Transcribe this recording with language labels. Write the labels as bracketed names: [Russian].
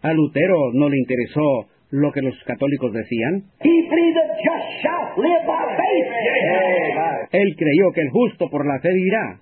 [Spanish] A Lutero no le interesó lo que los católicos decían. [English] He believed that just shall live by faith. Yeah. [Spanish] Él creyó que el justo por la fe vivirá.